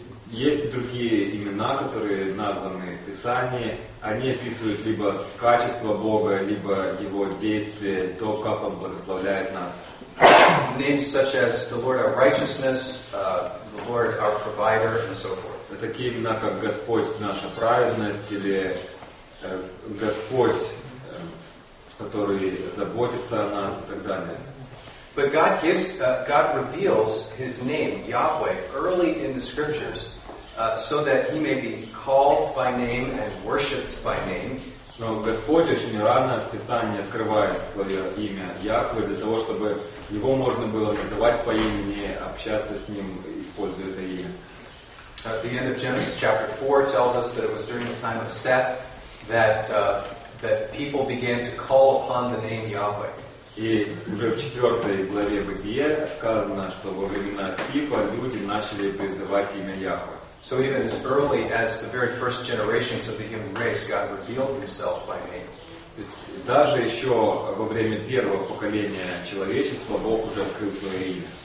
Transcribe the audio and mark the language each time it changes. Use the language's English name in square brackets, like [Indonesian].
[Russian] Есть другие имена, которые названы в Писании. Они описывают либо качество Бога, либо Его действия, то, как Он благословляет нас. [English] Names such as the Lord our righteousness, the Lord our provider, and so forth. [Russian] Такие имена, как Господь наша праведность, или Господь, который заботится о нас, и так далее. [English] But God reveals His name, Yahweh, early in the Scriptures, so that He may be called by name and worshipped by name. [Russian] Но Господь очень рано в Писании открывает свое имя Яхве для того, чтобы Его можно было называть по имени, общаться с Ним, используя это имя. [English] At the end of Genesis chapter 4 tells us that it was during the time of Seth that people began to call upon the name Yahweh. [Russian] И уже в 4 главе Бытия сказано, что во времена Сифа люди начали призывать имя Яхве. [English] So even as early as the very first generations of the human race, God revealed Himself by name. [Russian] Даже еще во время первого поколения человечества Бог уже открыл свое имя.